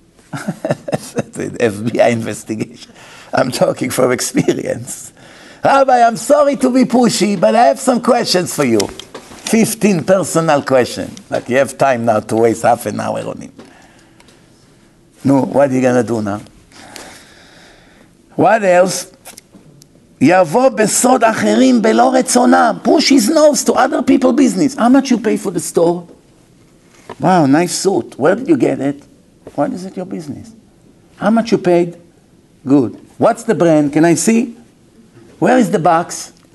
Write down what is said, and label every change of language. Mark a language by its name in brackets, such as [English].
[English] That's an FBI investigation. I'm talking from experience. Rabbi, I'm sorry to be pushy, but I have some questions for you. 15 personal questions. Like you have time now to waste half an hour on him. No, what are you going to do now? What else? [Hebrew] יבוא בסוד אחרים בלא רצונם. [English] Push his nose to other people's business. How much you pay for the store? Wow, nice suit. Where did you get it? What is it your business? How much you paid? Good. What's the brand? Can I see? Where is the box?